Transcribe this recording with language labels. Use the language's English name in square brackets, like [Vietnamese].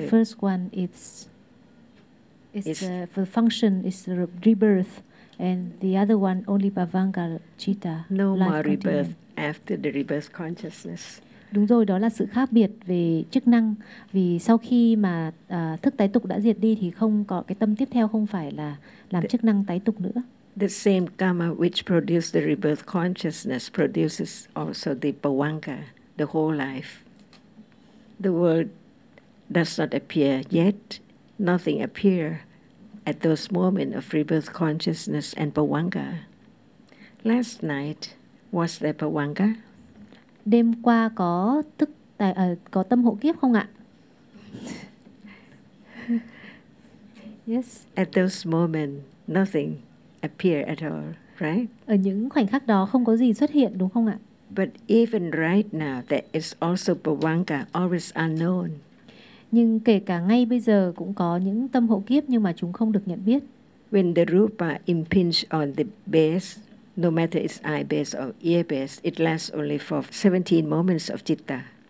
[English] The first one is the function is the rebirth, and the other one only pavanga citta. No more rebirth after the rebirth consciousness. [Vietnamese] Đúng rồi, đó là sự khác biệt về chức năng. Vì sau khi mà thức tái tục đã diệt đi thì không có cái tâm tiếp theo, không phải là làm chức năng tái tục nữa. [English] The same karma which produced the rebirth consciousness produces also the pavanga, the whole life. The world does not appear yet. Nothing appear at those moments of rebirth consciousness and pavanga. Last night, was there pavanga? [Vietnamese] Đêm qua có thức tài, có tâm hộ kiếp không ạ? [English] Yes. At those moments, nothing appear at all, right? [Vietnamese] Ở những khoảnh khắc đó không có gì xuất hiện, đúng không ạ? [English] But even right now, there is also pavanga, always unknown. [Vietnamese] Nhưng kể cả ngay bây giờ cũng có những tâm hộ kiếp nhưng mà chúng không được nhận biết. [English] When the rupa impinge on the base, no matter it's eye base or ear base, it lasts only for 17 moments of citta.